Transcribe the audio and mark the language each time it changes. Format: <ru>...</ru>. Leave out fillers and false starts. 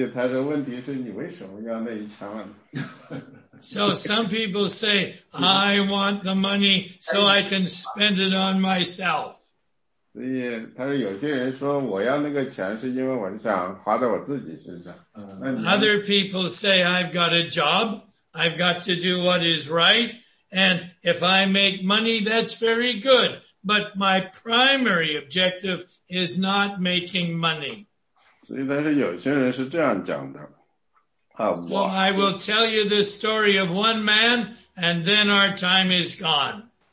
<zh>所以他的问题是你为什么要那一枪呢?</zh> <en>So some people say, I want the money so I can spend it on myself.</en> <zh>所以他说有些人说我要那个钱是因为我想花在我自己身上。</zh> <en>Other people say, I've got a job, I've got to do what is right, and if I make money, that's very good. But my primary objective is not making money.</en> <zh>所以但是有些人是这样讲的。</zh> <en>Well, I will tell you the story of one man, and then our time is gone.</en>